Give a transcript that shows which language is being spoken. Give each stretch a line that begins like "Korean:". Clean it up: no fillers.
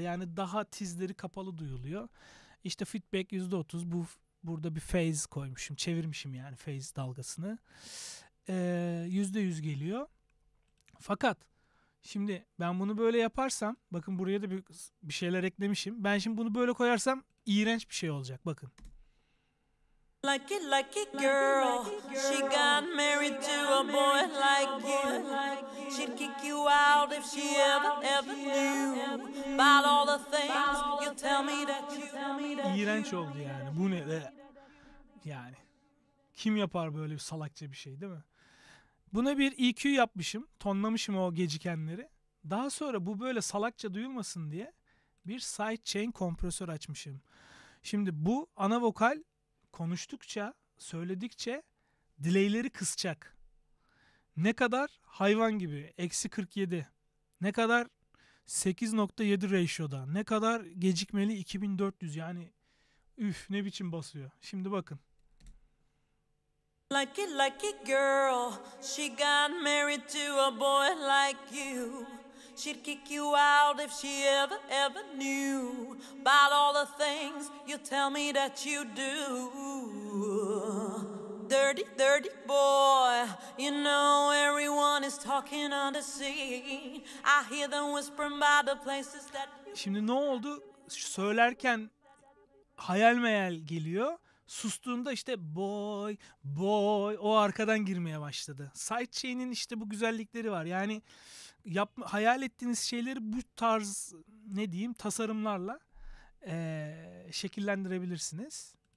Turkish: Yani daha tizleri kapalı duyuluyor. İşte feedback %30, burada bir phase koymuşum, çevirmişim yani phase dalgasını. %100 geliyor. Fakat... Şimdi ben bunu böyle yaparsam, bakın buraya da bir şeyler eklemişim. Ben şimdi bunu böyle koyarsam iğrenç bir şey olacak. Bakın.
English: Lucky lucky girl, lucky, lucky girl. She got married she got to a boy, like, to a boy like you. She'd kick you out if she ever ever knew about all the things you tell me that you tell me that.
Turkish: İğrenç oldu yani. Bu ne de? Yani kim yapar böyle bir salakça bir şey, değil mi? Buna bir EQ yapmışım, tonlamışım o gecikenleri. Daha sonra bu böyle salakça duyulmasın diye bir sidechain kompresör açmışım. Şimdi bu ana vokal konuştukça, söyledikçe delayleri kısacak. Ne kadar? Hayvan gibi, -47. Ne kadar? 8.7 ratio'da. Ne kadar gecikmeli? 2400 yani. Üf, ne biçim basıyor. Şimdi bakın.
English: Lucky, lucky girl, she got married to a boy like you. She'd kick you out if she ever, ever knew about all the things you tell me that you do. Dirty, dirty boy, you know everyone is talking on the scene. I hear them whispering by the places that you...
Turkish: Şimdi ne oldu? Söylerken hayal meyal geliyor. Sustuğunda işte boy, boy, o arkadan girmeye başladı. Sidechain'in işte bu güzellikleri var. Yani hayal ettiğiniz şeyleri bu tarz, ne diyeyim, tasarımlarla şekillendirebilirsiniz.